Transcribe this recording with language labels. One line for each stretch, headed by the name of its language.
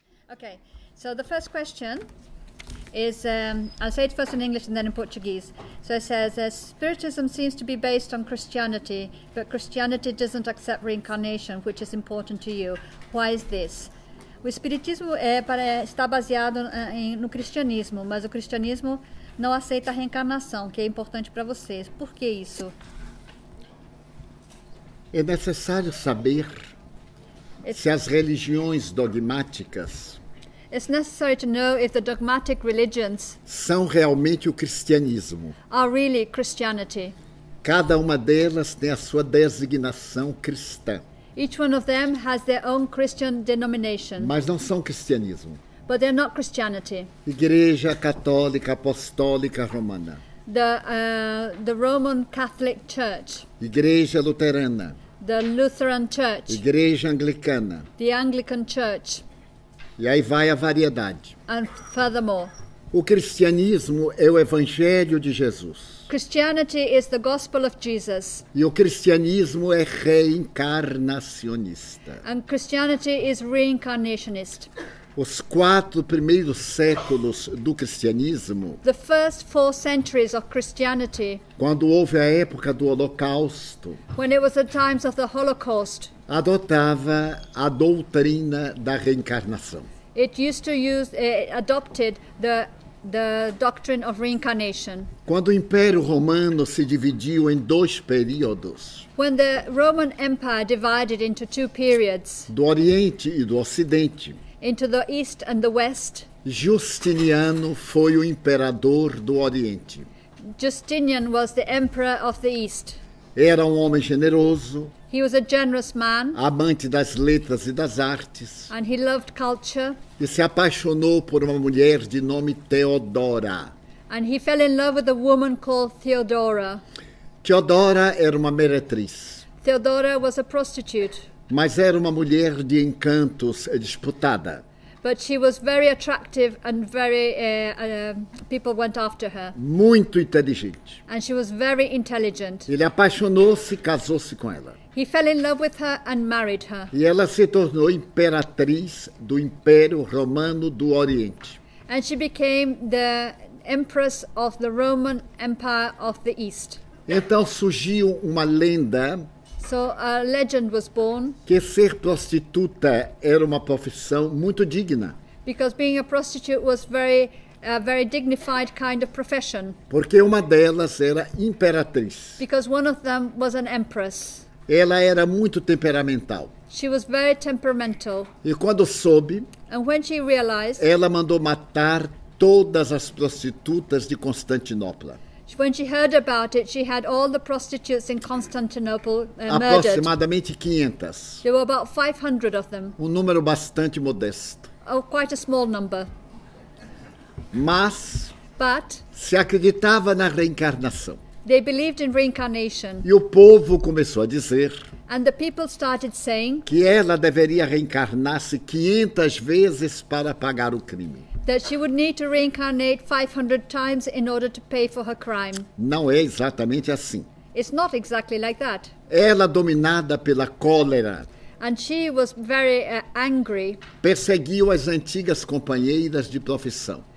English: Okay. So the first question is, I'll say it first in English and then in Portuguese. So it says, Spiritism seems to be based on Christianity, but Christianity doesn't accept reincarnation, which is important to you. Why is this?
Portuguese: O Espiritismo está baseado no Cristianismo, mas o Cristianismo não aceita a reencarnação, que é importante para vocês. Por que isso? É necessário saber se as religiões dogmáticas.
English: It's necessary to know if the dogmatic religions
Portuguese: são realmente o cristianismo.
English: Are really Christianity.
Portuguese: Cada uma delas tem a sua designação cristã.
English: Each one of them has their own Christian denomination.
Portuguese: Mas não são cristianismo.
English: But they're not Christianity.
Portuguese: Igreja Católica Apostólica Romana.
English: The Roman Catholic Church.
Portuguese: Igreja Luterana.
English: The Lutheran Church.
Portuguese: Igreja Anglicana.
English: The Anglican Church.
Portuguese: E aí vai a variedade.
English: And furthermore,
Portuguese: o cristianismo é o evangelho de Jesus.
English: Christianity is the gospel of Jesus.
Portuguese: E o cristianismo é reencarnacionista.
English: And Christianity is reincarnationist.
Portuguese: Os quatro primeiros séculos do cristianismo.
English: The first four centuries of Christianity.
Portuguese: Quando houve a época do Holocausto.
English: When it was the times of the Holocaust.
Portuguese: Adotava a doutrina da reencarnação.
English: It used to use, adopted the doctrine of reincarnation.
Portuguese: Quando o Império Romano se dividiu em dois períodos.
English: When the Roman Empire divided into two periods.
Portuguese: Do Oriente e do Ocidente.
English: Into the East and the West.
Portuguese: Justiniano foi o imperador do Oriente.
English: Justinian was the emperor of the East.
Portuguese: Era um homem generoso.
English: He was a generous man.
Portuguese: Amante das letras e das artes.
English: And he loved culture.
Portuguese: E se apaixonou por uma mulher de nome Teodora.
English: And he fell in love with a woman called Theodora.
Portuguese: Teodora era uma meretriz.
English: Theodora was a prostitute.
Portuguese: Mas era uma mulher de encantos disputada.
English: But she was very attractive and very people went after her.
Portuguese: Muito inteligente.
English: And she was very intelligent.
Portuguese: Ele apaixonou-se, casou-se com ela.
English: He fell in love with her and married her.
Portuguese: E ela se tornou imperatriz do Império Romano do Oriente.
English: And she became the empress of the Roman Empire of the East.
Portuguese: Então surgiu uma lenda.
English: So a legend was born.
Portuguese: Que ser prostituta era uma profissão muito digna.
English: Because being a prostitute was a very dignified kind of profession.
Portuguese: Porque uma delas era imperatriz.
English: Because one of them was an empress.
Portuguese: Ela era muito temperamental.
English: She was very temperamental.
Portuguese: E quando soube,
English: and when she realized,
Portuguese: ela mandou matar todas as prostitutas de Constantinopla.
English: When she heard about it, she had all the prostitutes in Constantinople murdered.
Portuguese: Aproximadamente 500.
English: There were about 500 of them.
Portuguese: Um número bastante modesto.
English: Oh, quite a small number.
Portuguese: Mas,
English: but,
Portuguese: se acreditava na reencarnação.
English: They believed in reincarnation.
Portuguese: E o povo começou a dizer.
English: And the people started saying.
Portuguese: Que ela deveria reencarnar-se 500 vezes para pagar o crime.
English: That she would need to reincarnate 500 times in order to pay for her crime.
Portuguese: Não é exatamente assim.
English: It's not exactly like that.
Portuguese: Ela, dominada pela cólera.
English: And she was very angry.
Portuguese: Perseguiu as antigas companheiras de profissão.